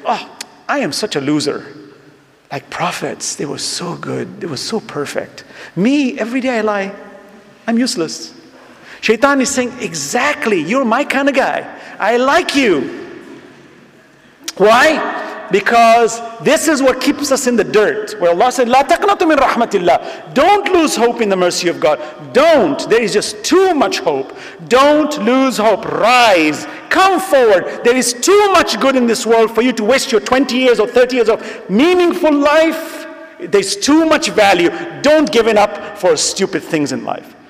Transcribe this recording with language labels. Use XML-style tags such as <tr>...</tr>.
<en>Oh, I am such a loser. Like prophets, they were so good. They were so perfect. Me, every day I lie. I'm useless. Shaitan is saying, exactly, you're my kind of guy. I like you. Why? Because this is what keeps us in the dirt. Where Allah said,</en> <ar>لَا تَقْنَطُ مِنْ رَحْمَةِ اللَّهِ.</ar> <en>Don't lose hope in the mercy of God. Don't. There is just too much hope. Don't lose hope. Rise. Come forward. There is too much good in this world for you to waste your 20 years or 30 years of meaningful life. There's too much value. Don't give it up for stupid things in life.</en>